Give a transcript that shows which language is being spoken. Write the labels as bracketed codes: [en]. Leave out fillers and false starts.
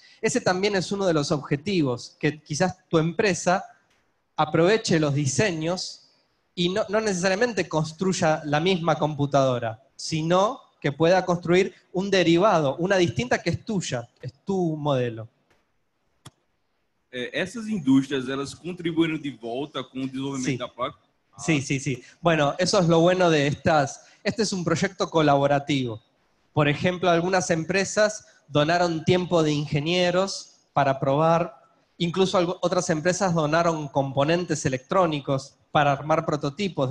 [es] Ese también es uno de los objetivos, que quizás tu empresa aproveche los diseños y no necesariamente construya la misma computadora, sino que pueda construir un derivado, una distinta que es tuya, es tu modelo. [pt] Essas indústrias, elas contribuíram de volta com o desenvolvimento da [es] Sí, [pt] placa? [es] sí, sí, sí. Bueno, eso es lo bueno de estas. Este es un proyecto colaborativo. Por ejemplo, algunas empresas donaron tiempo de ingenieros para probar, incluso otras empresas donaron componentes electrónicos para armar prototipos.